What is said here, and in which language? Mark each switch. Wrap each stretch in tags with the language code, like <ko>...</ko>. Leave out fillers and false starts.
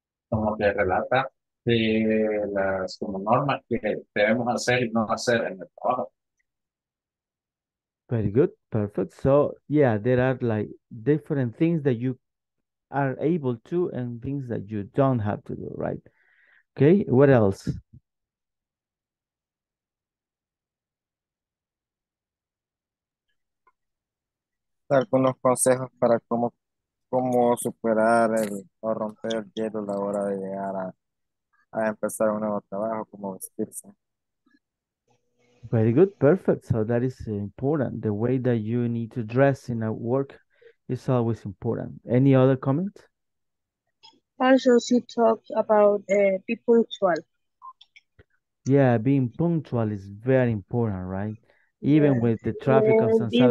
<es>Como que relata de las como normas que debemos hacer y no hacer en el trabajo.</es> <en>Very good, perfect. So yeah, there are like different things that you are able to and things that you don't have to do, right? Okay, what else?</en> <es>Algunos consejos para cómo superar o romper el hielo a la hora de llegar a empezar un nuevo trabajo, cómo vestirse.</es> <en>Very good, perfect. So that is important. The way that you need to dress in a work is always important. Any other comment? Also, she talked about be punctual. Yeah, being punctual is very important, right? Even with the traffic of San Salvador.</en>